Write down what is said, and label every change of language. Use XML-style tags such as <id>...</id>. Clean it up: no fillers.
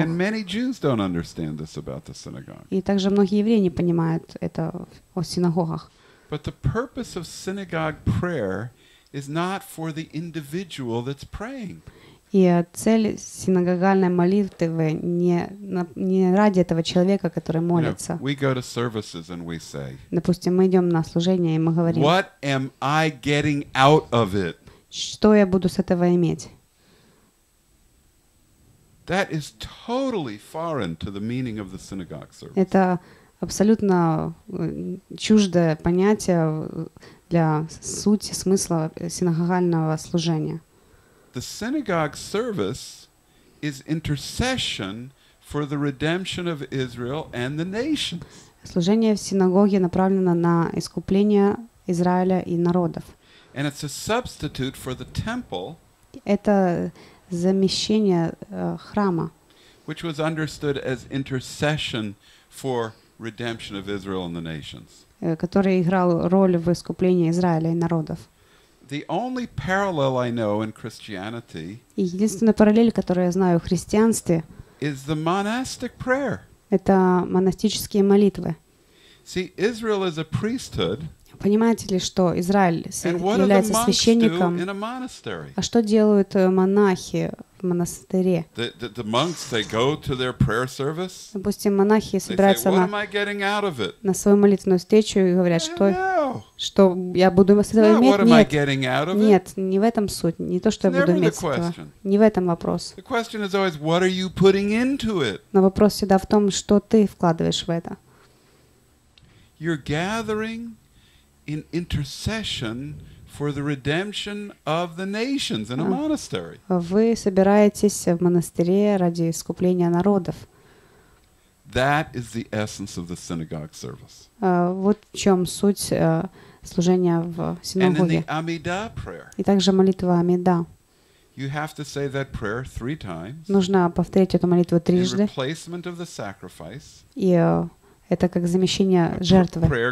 <en>And many Jews don't understand this about the synagogue.</en> <ru>И также многие евреи не понимают это о синагогах.</ru> <en>But the purpose of synagogue prayer is not for the individual that's praying.</en> <ru>И цель синагогальной молитвы не ради этого человека, который молится.</ru> <en>You know, we go to services and we say.</en> <ru>Допустим, мы идем на служение и мы говорим.</ru> <en>What am I getting out of it?</en> <ru>Что я буду с этого иметь?</ru> <en>That is totally foreign to the meaning of the synagogue service.</en> <ru>Это абсолютно чуждое понятие для сути, смысла синагогального служения.</ru> <en>The synagogue service is intercession for the redemption of Israel and the nations.</en> <ru>Служение в синагоге направлено на искупление Израиля и народов.</ru> <en>And it's a substitute for the temple.</en> <ru>Это замещение храма.</ru> <en>Which was understood as intercession for redemption of Israel and the nations.</en> <ru>Который играл роль в искуплении Израиля и народов.</ru> <en>The only parallel I know in Christianity.</en> <ru>Единственная параллель, которую я знаю в христианстве.</ru> <en>Is the monastic prayer.</en> <ru>Это монастические молитвы.</ru> <en>See, Israel is a priesthood.</en> <ru>Понимаете ли, что Израиль является священником? А что делают монахи в монастыре?</ru> <en>The monks, they go to their prayer service.</en> <ru>Допустим, монахи собираются на свою молитвенную встречу и говорят, что я буду с этого иметь? Нет, не в этом суть, не то, что я буду иметь с этого. Не в этом вопрос.</ru> <en>The question is always, what are you putting into it?</en> <ru>Но вопрос всегда в том, что ты вкладываешь в это.</ru> <en>You're gathering in intercession for the redemption of the nations in a monastery.</en> <ru>Вы собираетесь в монастыре ради искупления народов.</ru> <en>That is the essence of the synagogue service.</en> <ru>Вот в чем суть служения в синагоге.</ru> <en>And the Amidah prayer.</en> <ru>И также молитва Амида.</ru> <en>You have to say that prayer three times.</en> <ru>Нужно повторить эту молитву трижды.</ru> <en>In replacement of the sacrifice.</en> <ru>Это как замещение жертвы.</ru>